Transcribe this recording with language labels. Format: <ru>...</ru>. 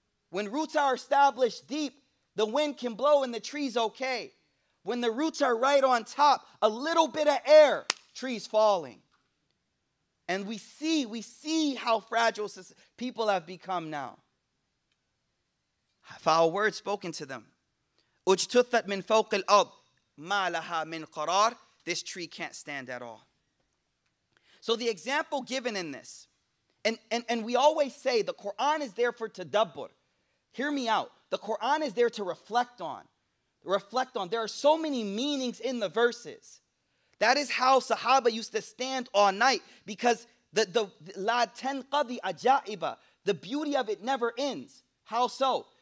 <en>When roots are established deep, the wind can blow and the tree's okay. When the roots are right on top, a little bit of air, tree's falling. And we see how fragile people have become now. Foul words spoken to them.</en> <ar>اجتثت من فوق الأرض ما لها من قرار.</ar> <en>This tree can't stand at all. So the example given in this, and we always say the Quran is there for tadabbur. Hear me out. The Quran is there to reflect on. Reflect on. There are so many meanings in the verses. That is how Sahaba used to stand all night, because the</en> <ar>la tanqadi ajaiba,</ar> <en>the beauty of it never ends. How so?</en>